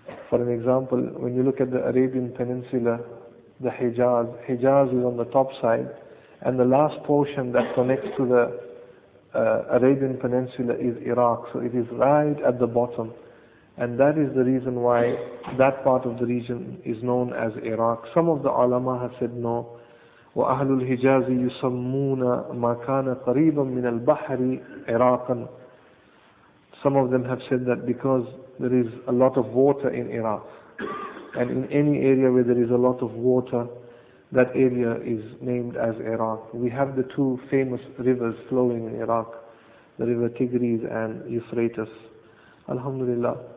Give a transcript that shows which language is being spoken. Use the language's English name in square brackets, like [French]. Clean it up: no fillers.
[English] For an example, when you look at the Arabian Peninsula, the Hijaz is on the top side, and the last portion that connects to the Arabian Peninsula is Iraq, so it is right at the bottom, and that is the reason why that part of the region is known as Iraq. Some of the ulama have said no. [Arabic] وأهل الحجاز يسمون ما كان قريبا من البحر عراقا. [English] Some of them have said that because there is a lot of water in Iraq, and in any area where there is a lot of water, that area is named as Iraq. We have the two famous rivers flowing in Iraq, the river Tigris and Euphrates. Alhamdulillah.